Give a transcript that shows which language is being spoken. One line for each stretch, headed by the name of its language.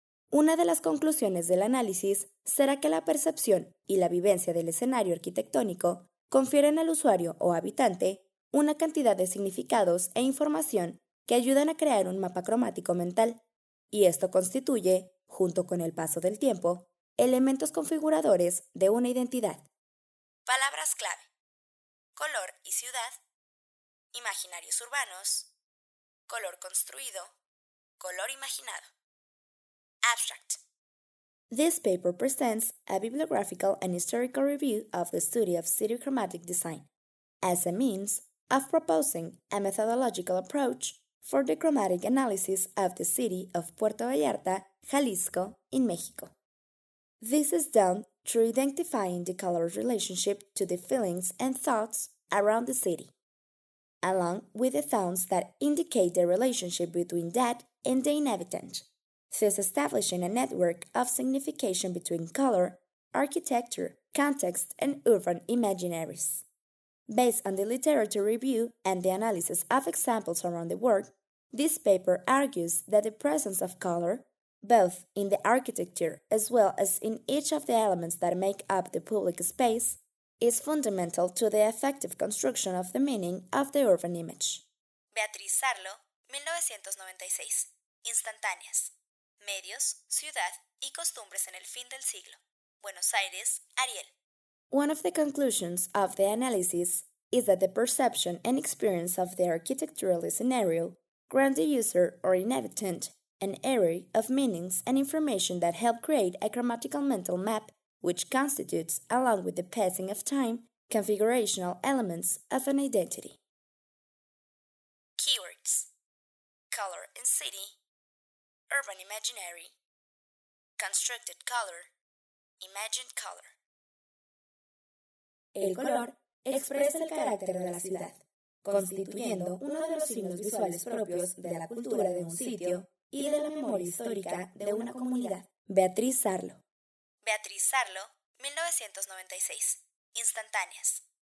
Spanish: Una de las conclusiones del análisis será que la percepción y la vivencia del escenario arquitectónico confieren al usuario o habitante una cantidad de significados e información que ayudan a crear un mapa cromático mental, y esto constituye, junto con el paso del tiempo, elementos configuradores de una identidad. Palabras clave: color y ciudad, imaginarios urbanos, color construido, color imaginado.
English: Abstract. This paper presents a bibliographical and historical review of the study of city chromatic design as a means of proposing a methodological approach for the chromatic analysis of the city of Puerto Vallarta, Jalisco, in Mexico. This is done through identifying the color's relationship to the feelings and thoughts around the city, along with the tones that indicate the relationship between that and the inhabitant, thus establishing a network of signification between color, architecture, context, and urban imaginaries. Based on the literature review and the analysis of examples around the world, this paper argues that the presence of color, both in the architecture as well as in each of the elements that make up the public space, is fundamental to the effective construction of the meaning of the urban image.
Spanish: Beatriz Sarlo, 1996. Instantáneas. Medios, ciudad y costumbres en el fin del siglo. Buenos Aires, Ariel.
English: One of the conclusions of the analysis is that the perception and experience of the architectural scenario grant the user or inhabitant an array of meanings and information that help create a chromatical mental map, which constitutes, along with the passing of time, configurational elements of an identity. Keywords: color and city, urban imaginary, constructed color, imagined color.
Spanish: El color expresa el carácter de la ciudad, constituyendo uno de los signos visuales propios de la cultura de un sitio y de la memoria histórica de una comunidad. Beatriz Sarlo. Beatriz Sarlo, 1996. Instantáneas.